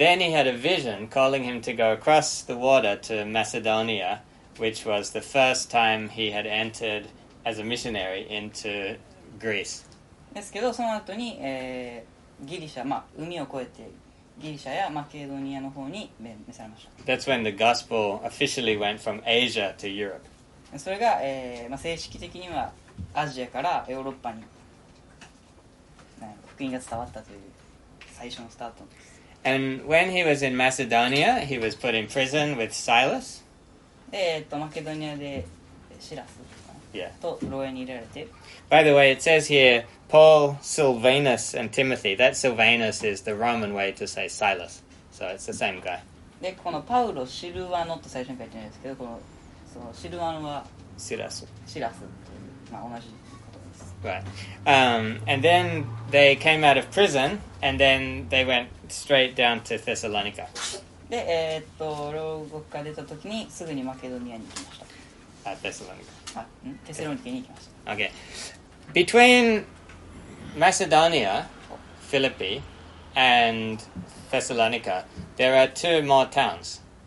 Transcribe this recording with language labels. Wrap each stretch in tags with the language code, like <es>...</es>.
<en>And then he had a vision calling him to go across the water to Macedonia, which was the first time he had entered as a missionary into Greece.</en> <ja>ですけどその後に、ギリシャ、まあ、海を越えてギリシャやマケドニアの方に召されました。</ja> <en>That's when the gospel officially went from Asia to Europe.</en> <ja>それが、まあ、正式的にはアジアからヨーロッパに、福音が伝わったという最初のスタートです。</ja> <en>And when he was in Macedonia, he was put in prison with Silas.</en> <ja>で、マケドニアでシラスとか、</ja> <en>yeah.</en> <ja>と牢屋に入れられて。</ja> <en>By the way, it says here,Paul, Silvanus, and Timothy. That Silvanus is the Roman way to say Silas. So it's the same guy.</en> <ja>で、このパウロ、シルワノと最初に書いてないですけど、この、そのシルワノは、シラス。シラスという、まあ、同じことです。</ja> <en>Right. And then they came out of prison, and then they went straight down to Thessalonica.</en> <ja>で、牢獄から出たときに、すぐにマケドニアに行きました。</ja> <en>Thessalonica.</en> <ja>テサロニケに行きました。</ja> <en>Okay. Between... Macedonia, Philippi, and Thessalonica, there are two more towns.</en>